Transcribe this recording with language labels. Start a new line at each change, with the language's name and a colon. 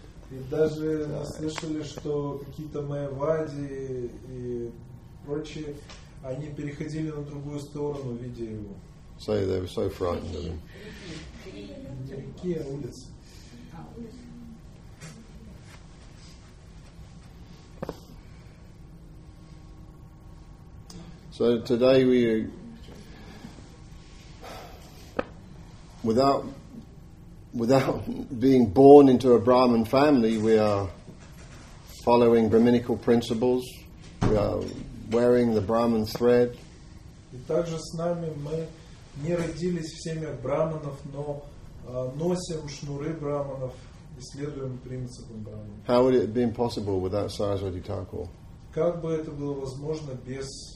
Russian: И даже слышали, что какие-то Mayavadi и прочие, они переходили на другую сторону, видя его.
English: So they were so frightened of him.
Russian: Какие улицы?
English: So today we, without being born into a Brahmin family, we are following Brahminical principles. We are wearing the Brahmin thread.
Russian: И также с нами мы не родились в семьях брахманов, но носим шнуры брахманов и следуем принципам брахманов.
English: How would it have been possible without Saraswati Thakur?
Russian: Как бы это было возможно без